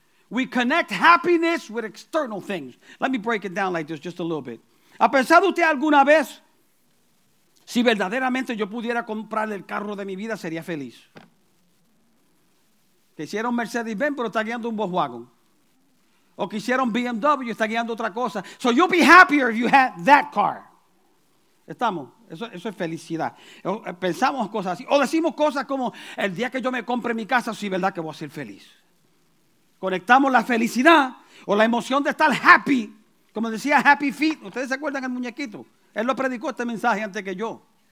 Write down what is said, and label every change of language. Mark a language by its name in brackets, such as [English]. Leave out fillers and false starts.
[English] We connect happiness with external things. Let me break it down like this just a little bit. [Spanish] ¿Ha pensado usted alguna vez, si verdaderamente yo pudiera comprar el carro de mi vida, sería feliz? Quisiera un Mercedes-Benz, pero está guiando un Volkswagen. O quisiera un BMW, está guiando otra cosa. [English] So you'll be happier if you had that car. [Spanish] ¿Estamos? Eso es felicidad. Pensamos cosas así. O decimos cosas como, el día que yo me compre mi casa, sí, verdad que voy a ser feliz. Conectamos la felicidad o la emoción de estar happy. Como decía Happy Feet, ¿ustedes se acuerdan el muñequito? Él lo predicó este mensaje antes que yo.